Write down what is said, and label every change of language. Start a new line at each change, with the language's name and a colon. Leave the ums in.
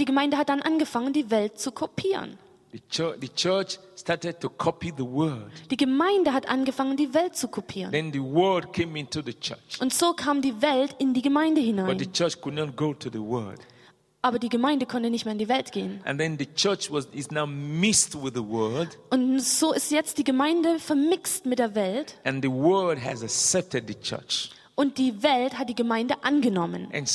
German: die Gemeinde hat dann angefangen, die Welt zu kopieren.
English: The church started to copy the world.
German: Die Gemeinde hat angefangen, die Welt zu kopieren.
English: Then the word came into the church.
German: Und so kam die Welt in die Gemeinde hinein.
English: But the church could not go to the world.
German: Aber die Gemeinde konnte nicht mehr in die Welt gehen.
English: And then the church was, is now mixed with the world.
German: Und so ist jetzt die Gemeinde vermixt mit der Welt.
English: And the world has accepted the church.
German: und die Welt hat die Gemeinde angenommen.